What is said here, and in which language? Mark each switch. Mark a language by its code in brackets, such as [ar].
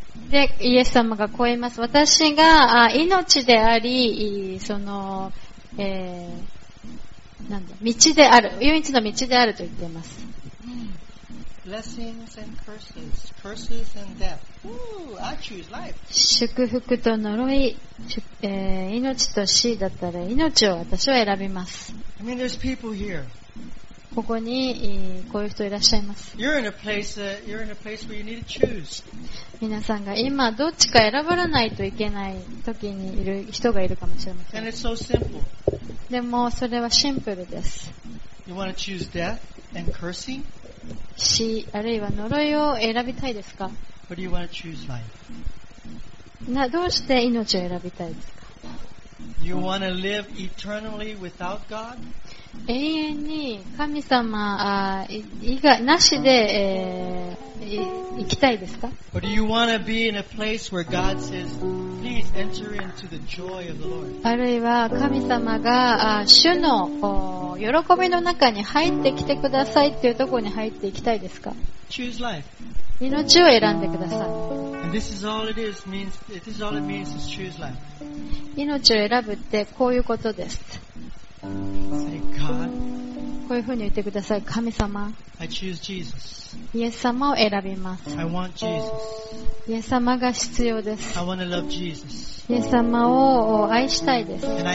[ja] で、イエス様がこう言います。私が命であり、その、なんだ、道である、唯一の道であると言っています。 [en] Blessings and curses, curses and death. Ooh, I choose life. [ja] 祝福と呪い、命と死だったら命を私は選びます。 [en] I mean, there's people here. [ja] ここにこういう人いらっしゃいます。 [en] You're in a place, you're in a place where you need to choose. [ja] 皆さんが今どっちか選ばないといけない時にいる人がいるかもしれません。 [en] And it's so simple. [ja] でもそれはシンプルです。 [en] You want to choose death and cursing? [ja] 死あるいは呪いを選びたいですか。 [en] What do you want to choose life? [ja] どうして命を選びたいですか。 [en] You want to live eternally without God? [ja] 永遠に神様なしで生きたいですか。 [en] Or do you want to be in a place where God says, please enter into the joy of the Lord? [ja] あるいは神様が主の喜びの中に入ってきてくださいっていうところに入っていきたいですか。 [en] Choose life. [ja] 命を選んでください。 [en] And this is all it is, means, it is all it means is choose life. [ja] 命を選ぶってこういうことです。 [en] Say God. [ja] こういうふうに言ってください。神様、 [en] I choose Jesus. [ja] イエス様を選びます。 [en] I want Jesus. [ja] イエス様が必要です。 [en] I want to love Jesus. [ja] イエス様を愛したいです。